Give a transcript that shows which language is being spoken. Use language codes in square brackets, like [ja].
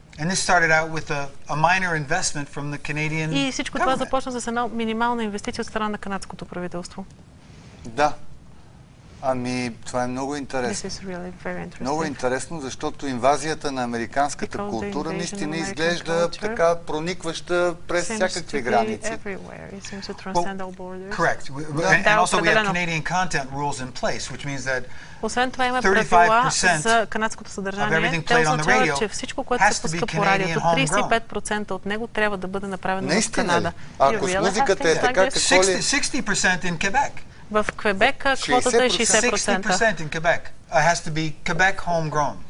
[en] And this started out with a minor investment from the Canadian government. [bg] И всичко това започна с една минимална инвестиция от страна на канадското правителство. Да. Ами, това е много интересно. [en] This is really very interesting. [bg] Много интересно, защото инвазията на американската култура наистина изглежда така проникваща през всякакви граници. [en] Correct. And also we have Canadian content rules in place, which means that [bg] освен това има правила за канадското съдържание, те означава, че всичко, което се пуска по радиото, 35% от него трябва да бъде направено в Канада. Ако с музиката е така, какво ли... [en] 60% in Quebec. [bg] В Квебек квотата е 60%. [en] 60% in has to be Quebec homegrown.